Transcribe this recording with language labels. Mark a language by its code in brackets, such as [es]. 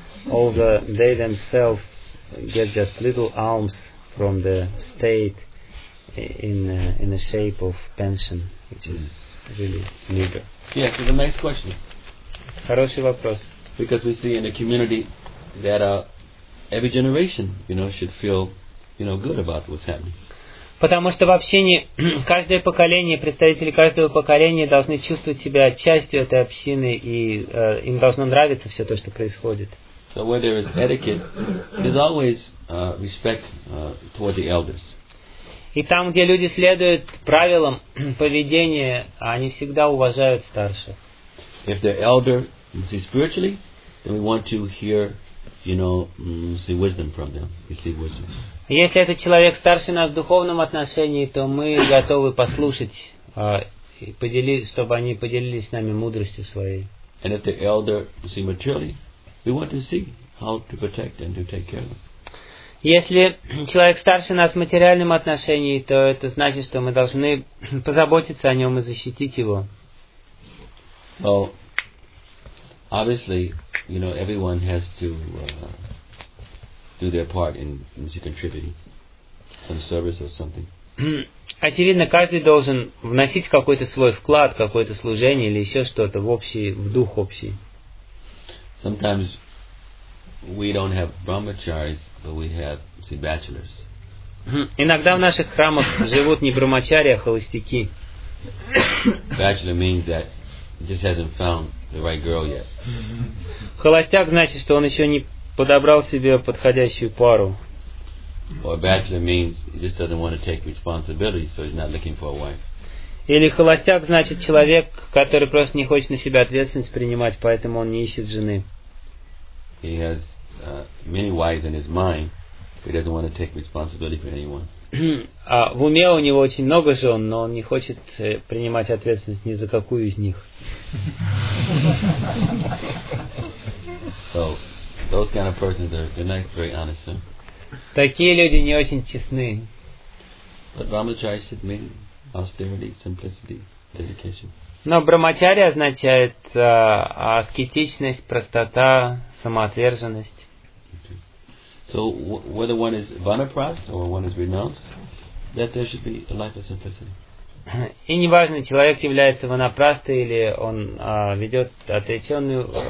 [en] Although they themselves get just little alms from the state in the shape of pension, which is really meager. Yes, it's a nice question. [ru] Хороший вопрос. [en] Because we see in the community that every generation, you know, should feel, you know, good about what's happening. [ru] Потому что в общине каждое поколение, представители каждого поколения должны чувствовать себя частью этой общины и им должно нравиться все то, что происходит. [en] So where there is etiquette, there's always respect toward the elders. [ru] И там, где люди следуют правилам поведения, они всегда уважают старших. [en] If the elder is spiritually, then we want to hear, you know, see wisdom from them. Receive wisdom. [ru] Если этот человек старше нас в духовном отношении, то мы готовы послушать, чтобы они поделились с нами мудростью своей. [en] And if the elder is immaturely, we want to see how to protect and to take care of them. [ru] Если человек старше нас в материальном отношении, то это значит, что мы должны позаботиться о нем и защитить его. [en] So, obviously, you know, everyone has to do their part in contributing some service or something. [ru] Очевидно, каждый должен вносить какой-то свой вклад, какое-то служение или еще что-то в общий, в дух общий. [en] Sometimes we don't have brahmacharis, but we have the bachelors. [ru] Иногда в наших храмах живут не брахмачари, а холостяки. [en] Bachelor means that he just hasn't found the right girl yet. [ru] Холостяк значит, что он еще не подобрал себе подходящую пару. [en] Or bachelor means he just doesn't want to take responsibility, so he's not looking for a wife. [ru] Или холостяк значит человек, который просто не хочет на себя ответственность принимать, поэтому он не ищет жены. [en] He has many wives in his mind, but he doesn't want to take responsibility for anyone. [ru] В уме у него очень много жен, но он не хочет принимать ответственность ни за какую из них. [en] So, those kind of persons are not very honest. [ru] Такие люди не очень честны. [en] But brahmacharya should mean austerity, simplicity, dedication. [ru] Но брахмачарья означает аскетичность, простота, самоотверженность. [en] So whether one is vanaprast or one is renounced, that there should be a life of simplicity. [ru] И неважно, человек является ванапрастой или он ведет отреченный